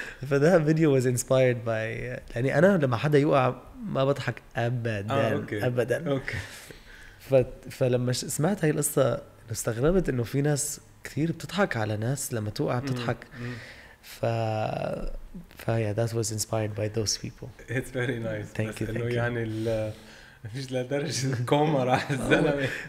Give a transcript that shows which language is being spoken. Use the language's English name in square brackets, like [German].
[Arabic] فده فيديو [English] was inspired by [Arabic] يعني أنا لما حدا يقع ما بضحك أبداً أبداً. فلما سمعت هاي القصة استغربت إنه في ناس كثير بتضحك على ناس لما توقع بتضحك. [English] فا yeah that was inspired by those people. It's very nice. Thank you. Thank you. [Arabic] يعني ال فيش لدرجة كوما راح الزلمة.